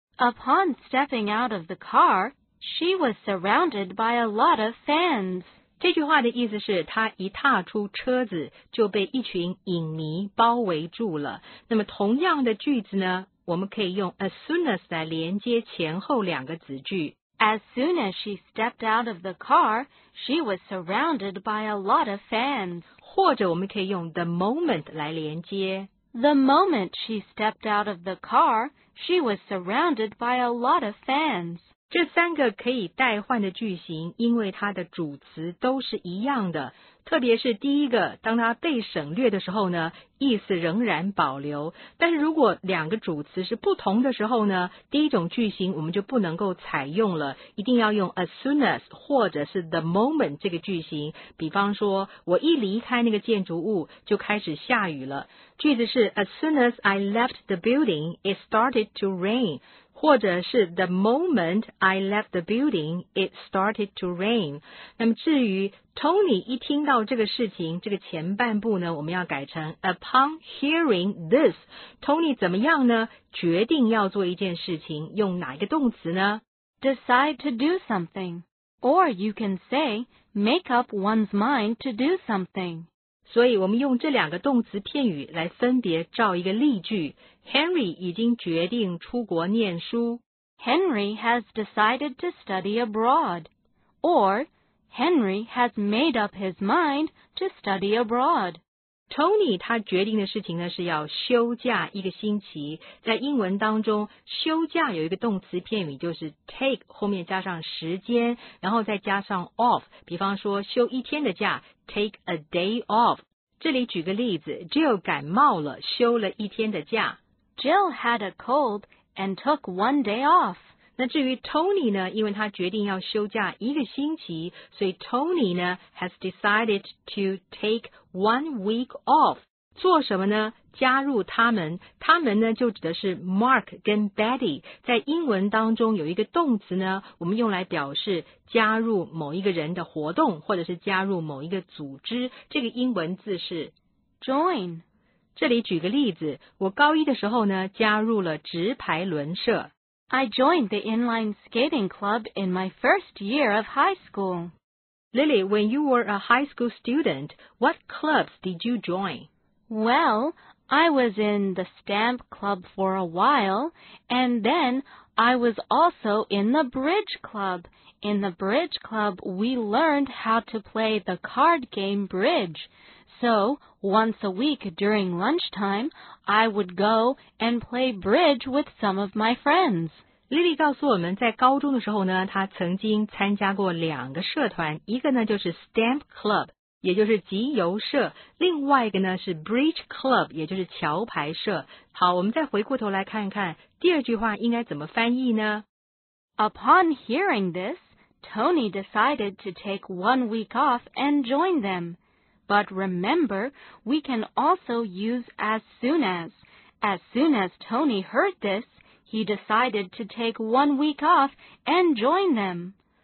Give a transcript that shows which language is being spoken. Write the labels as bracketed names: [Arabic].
[English] Upon stepping out of the car, she was surrounded by a lot of fans. [Chinese] 这句话的意思是他一踏出车子就被一群影迷包围住了。那么同样的句子呢，我们可以用 as soon as 来连接前后两个子句。 [English] As soon as she stepped out of the car, she was surrounded by a lot of fans. [Chinese] 或者我们可以用 the moment 来连接。 [English] The moment she stepped out of the car, she was surrounded by a lot of fans. [Chinese] 这三个可以代换的句型，因为它的主词都是一样的，特别是第一个，当它被省略的时候呢，意思仍然保留。但是如果两个主词是不同的时候呢，第一种句型我们就不能够采用了，一定要用 as soon as 或者是 the moment 这个句型。比方说，我一离开那个建筑物就开始下雨了，句子是 [English] as soon as I left the building, it started to rain. [Chinese] 或者是 [English] the moment I left the building, it started to rain. [Chinese] 那么至于 Tony 一听到这个事情，这个前半部呢，我们要改成 [English] upon hearing this. [Chinese] Tony 怎么样呢？决定要做一件事情，用哪一个动词呢？ [English] Decide to do something. Or you can say, make up one's mind to do something. [Chinese] 所以我们用这两个动词片语来分别造一个例句。 Henry 已经决定出国念书。 [English] Henry has decided to study abroad. Or, Henry has made up his mind to study abroad. [Chinese] Tony 他决定的事情呢是要休假一个星期。在英文当中，休假有一个动词片语就是 take, 后面加上时间，然后再加上 off, 比方说休一天的假。 [English] Take a day off. [Chinese] 这里举个例子 ,Jill 感冒了,休了一天的假。 [English] Jill had a cold and took one day off. [Chinese] 那至于 Tony 呢，因为他决定要休假一个星期，所以 Tony 呢 [English] has decided to take one week off. [Chinese] 做什么呢？加入他们，他们呢就指的是 Mark 跟 Betty。在英文当中有一个动词呢，我们用来表示加入某一个人的活动，或者是加入某一个组织，这个英文字是 [English] join。 [Chinese] 这里举个例子，我高一的时候呢加入了直排轮社。 [English] I joined the inline skating club in my first year of high school. Lily, when you were a high school student, what clubs did you join? Well, I was in the stamp club for a while, and then I was also in the bridge club. In the bridge club, we learned how to play the card game bridge. So, once a week during lunchtime, I would go and play bridge with some of my friends. [Chinese] Lily 告诉我们，在高中的时候呢，她曾经参加过两个社团，一个呢就是 Stamp Club， 也就是集邮社，另外一个呢是 Bridge Club， 也就是桥牌社。好，我们再回过头来看看第二句话应该怎么翻译呢？ [English] Upon hearing this, Tony decided to take one week off and join them. But remember, we can also use as soon as. As soon as Tony heard this, he decided to take one week off and join them.